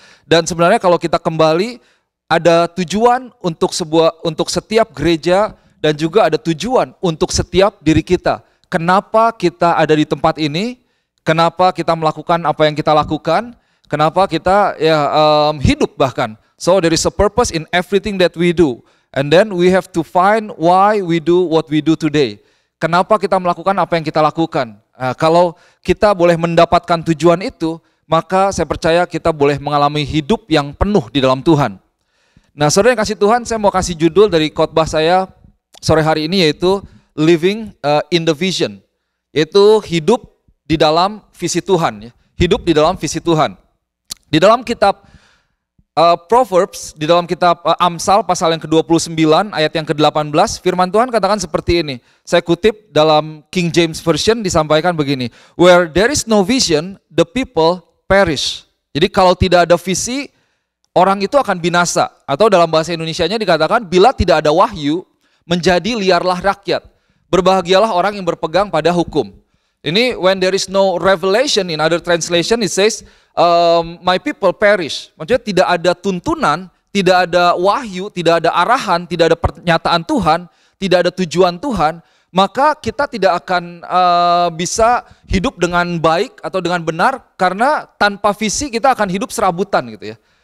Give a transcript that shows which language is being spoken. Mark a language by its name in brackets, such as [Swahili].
[Indonesian] Dan sebenarnya kalau kita kembali, ada tujuan untuk setiap gereja dan juga ada tujuan untuk setiap diri kita. Kenapa kita ada di tempat ini? Kenapa kita melakukan apa yang kita lakukan? Kenapa kita ya hidup bahkan? [English] So there is a purpose in everything that we do, and then we have to find why we do what we do today. [Indonesian] Kenapa kita melakukan apa yang kita lakukan? Nah, kalau kita boleh mendapatkan tujuan itu, maka saya percaya kita boleh mengalami hidup yang penuh di dalam Tuhan. Nah, saudara yang kasih Tuhan, saya mau kasih judul dari khotbah saya sore hari ini yaitu [English] Living in the Vision, [Indonesian] yaitu hidup di dalam visi Tuhan. Hidup di dalam visi Tuhan. Di dalam kitab Proverbs, di dalam kitab Amsal pasal yang ke-29 ayat yang ke-18, firman Tuhan katakan seperti ini. Saya kutip dalam King James Version, disampaikan begini. [English] Where there is no vision, the people perish. [Indonesian] Jadi kalau tidak ada visi, orang itu akan binasa. Atau dalam bahasa Indonesianya dikatakan, bila tidak ada wahyu, menjadi liarlah rakyat. Berbahagialah orang yang berpegang pada hukum. Ini [English] when there is no revelation, in other translation it says, my people perish. [Indonesian] Maksudnya tidak ada tuntunan, tidak ada wahyu, tidak ada arahan, tidak ada pernyataan Tuhan, tidak ada tujuan Tuhan, maka kita tidak akan bisa hidup dengan baik atau dengan benar, karena tanpa visi kita akan hidup serabutan gitu ya.